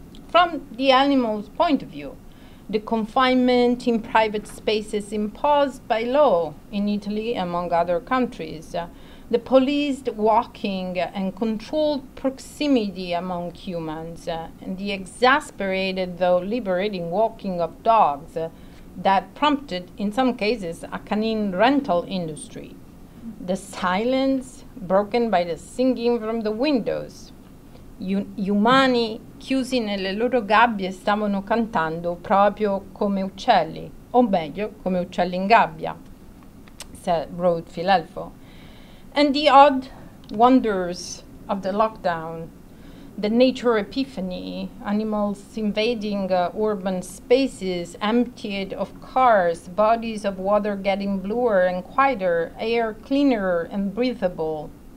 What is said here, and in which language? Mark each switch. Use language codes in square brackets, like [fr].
[en] From the animal's point of view, the confinement in private spaces imposed by law in Italy, among other countries, the policed walking and controlled proximity among humans, and the exasperated though liberating walking of dogs that prompted, in some cases, a canine rental industry. The silence broken by the singing from the windows. [it] Umani chiusi nelle loro gabbie stavano cantando proprio come uccelli, o meglio, come uccelli in gabbia, [en] wrote Filelfo. And the odd wonders of the lockdown, the nature epiphany, animals invading urban spaces emptied of cars, bodies of water getting bluer and quieter, air cleaner and breathable.